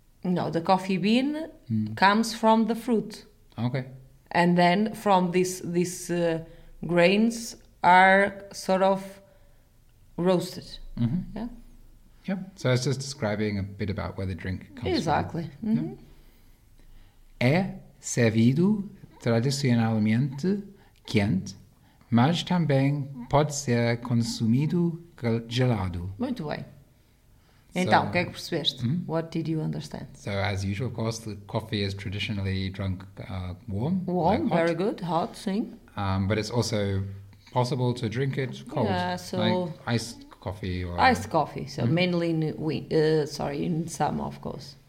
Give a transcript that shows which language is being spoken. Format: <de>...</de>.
<en>No, the coffee bean comes from the fruit. Okay. And then from these grains are sort of roasted. Mm-hmm. Yeah. Yeah. So it's just describing a bit about where the drink comes exactly. from. Exactly. Mm-hmm. Yeah.</en> <pt>É servido tradicionalmente quente, mas também pode ser consumido gelado. Muito bem. Então, o que é que percebeste? Mm-hmm.</pt> <en>What did you understand? So, as usual, of course, the coffee is traditionally drunk warm. Warm, like very good, hot, thing. But it's also possible to drink it cold, like iced coffee. Iced coffee, so mm-hmm. mainly in summer, of course.</en>